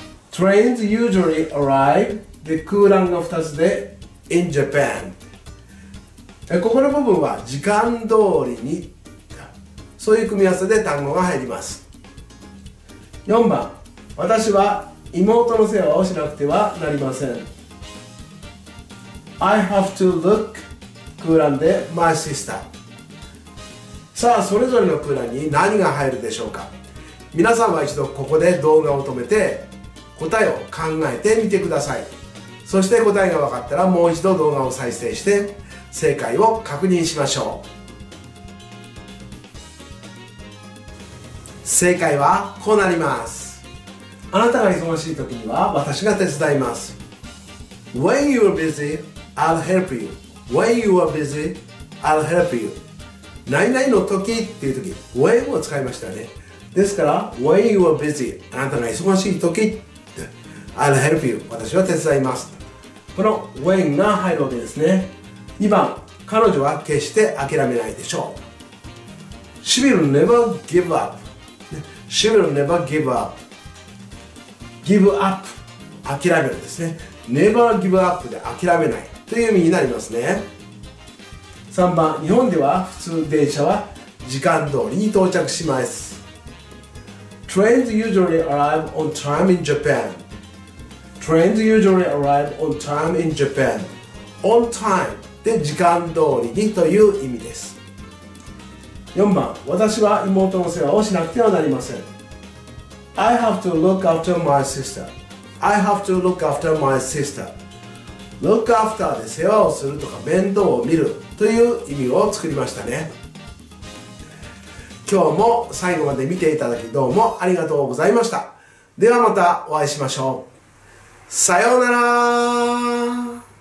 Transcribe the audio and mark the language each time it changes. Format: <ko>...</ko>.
<en>Trains usually arrive</en> <ja>で空欄が2つで</ja> <en>In Japan、</en> <ja>ここの部分は時間通りに、そういう組み合わせで単語が入ります。 4番、私は妹の世話をしなくてはなりません。</ja> <en>I have to look</en> <ja>空欄で</ja> <en>My sister。</en> <ja>さあそれぞれの空欄に何が入るでしょうか。皆さんは一度ここで動画を止めて答えを考えてみてください。そして答えが分かったらもう一度動画を再生して正解を確認しましょう。正解はこうなります。あなたが忙しい時には私が手伝います。</ja> <en>When you are busy, I'll help you. When you are busy, I'll help you.</en> <ja>何々の時っていう時 When を使いましたね。ですから</ja> <en>When you are busy,</en> <ja>あなたが忙しい時</ja> <en>I'll help you,</en> <ja>私は手伝います。この When が入るわけですね。2番、彼女は決して諦めないでしょう。</ja> <en>She will never give up. She will never give up. Give up.</en> <ja>諦めるですね。</ja> <en>Never give up</en> <ja>で諦めないという意味になりますね。 3番、日本では普通電車は時間通りに到着します。</ja> <en>Trains usually arrive on time in Japan. Trains usually arrive on time in Japan. On time</en> <ja>で時間通りにという意味です。 4番、私は妹の世話をしなくてはなりません。</ja> <en>I have to look after my sister. I have to look after my sister. Look after</en> <ja>で世話をするとか面倒を見るという意味を作りましたね。今日も最後まで見ていただきどうもありがとうございました。ではまたお会いしましょう。さようなら。</ja>